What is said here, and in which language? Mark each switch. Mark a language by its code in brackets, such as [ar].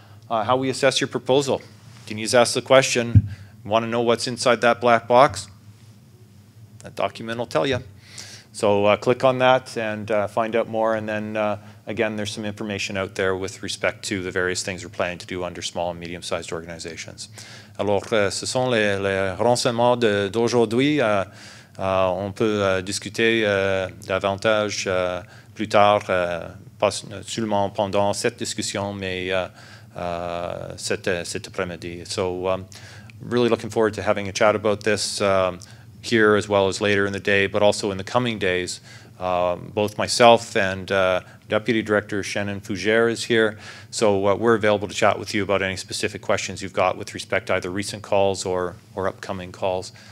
[en] How we assess your proposal. Denise asked the question, want to know what's inside that black box? That document will tell you. So click on that and find out more. And then again, there's some information out there with respect to the various things we're planning to do under small and medium-sized organizations. [fr] Alors, ce sont les renseignements d'aujourd'hui. On peut discuter davantage plus tard, pas seulement pendant cette discussion, mais cet après-midi. [en] So really looking forward to having a chat about this here as well as later in the day, but also in the coming days. Both myself and Deputy Director Shannon Fougere is here, so we're available to chat with you about any specific questions you've got with respect to either recent calls or upcoming calls.